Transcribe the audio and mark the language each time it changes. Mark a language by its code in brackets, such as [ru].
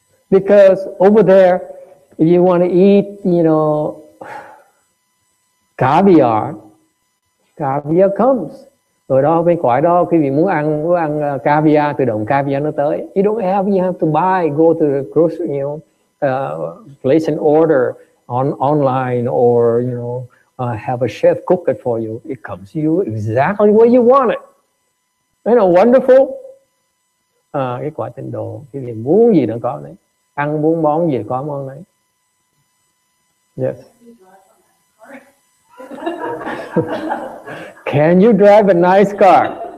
[en] Because over there, if you want to eat, you know, caviar comes. [vi] Ở đó, bên quả đó, quý vị muốn ăn caviar, tự động caviar nó tới. [en] You don't have, you have to buy, go to the grocery, you know, place an order online or, you know, have a chef cook it for you. It comes to you exactly where you want it. Isn't it wonderful? [vi] Cái quả tịnh độ, quý vị muốn gì nó có đấy. Ăn muốn món gì có món đấy. Yes. [en] Can you drive a nice car?